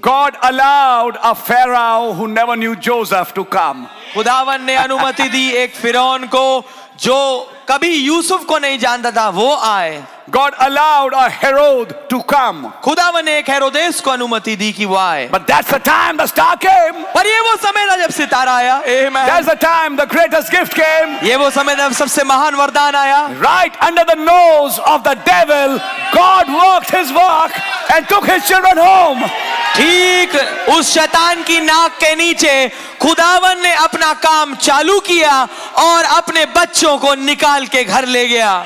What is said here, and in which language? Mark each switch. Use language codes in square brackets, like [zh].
[en] God allowed a Pharaoh who never knew Joseph to come. [hi] खुदावन ने अनुमति दी एक फिरौन को जो कभी यूसुफ को नहीं जानता था वो आए. [en] God allowed a Herod to come. [hi] खुदावन ने एक हेरोदेस को अनुमति दी कि वो आए. [en] But that's the time the star came. [hi] पर ये वो समय था जब सितारा आया. [en] Amen. That's the time the greatest gift came. [hi] ये वो समय था जब सबसे महान वरदान आया. [en] Right under the nose of the devil, God worked His work and took His children home. [hi] ठीक उस शैतान की नाक के नीचे खुदावन ने अपना काम चालू किया और अपने बच्चों को निकाल के घर ले गया.